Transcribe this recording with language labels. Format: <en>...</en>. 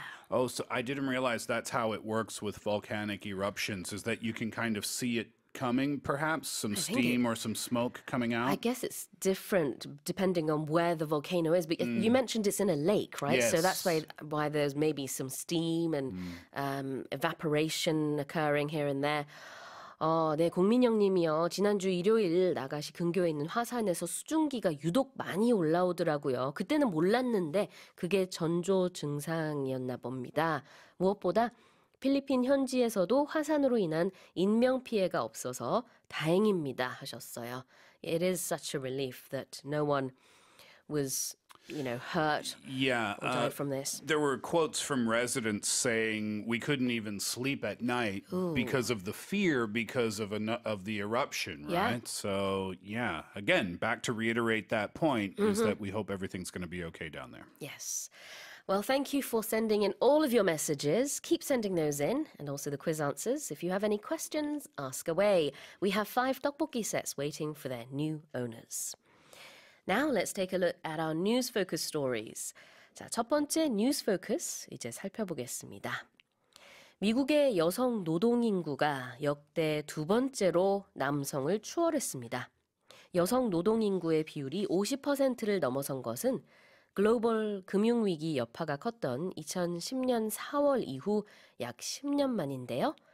<en>Oh, so I didn't realize that's how it works with volcanic eruptions, is that you can kind of see it coming, perhaps, some steam or some smoke coming out? I guess it's different depending on where the volcano is, but you mentioned it's in a lake, right? Yes. So that's why there's maybe some steam and evaporation occurring here and there.</en> <ko>네, 공민영님이요. 지난주 일요일 나가시 근교에 있는 화산에서 수증기가 유독 많이 올라오더라고요. 그때는 몰랐는데 그게 전조 증상이었나 봅니다. 무엇보다 필리핀 현지에서도 화산으로 인한 인명피해가 없어서 다행입니다 하셨어요.</ko> <en>It is such a relief that no one was, you know, hurt or died from this. There were quotes from residents saying we couldn't even sleep at night because of the fear because of the eruption, yeah. right? So, yeah, again, back to reiterate that point is that we hope everything's going to be okay down there. Yes. Well, thank you for sending in all of your messages. Keep sending those in and also the quiz answers. If you have any questions, ask away. We have 5 떡볶이 sets waiting for their new owners. Now let's take a look at our news focus stories.</en> <ko>자, 첫 번째 news focus 이제 살펴보겠습니다. 미국의 여성 노동 인구가 역대 두 번째로 남성을 추월했습니다. 여성 노동 인구의 비율이 50%를 넘어선 것은 글로벌 금융 위기 여파가 컸던 2010년 4월 이후 약 10년 만인데요.</ko>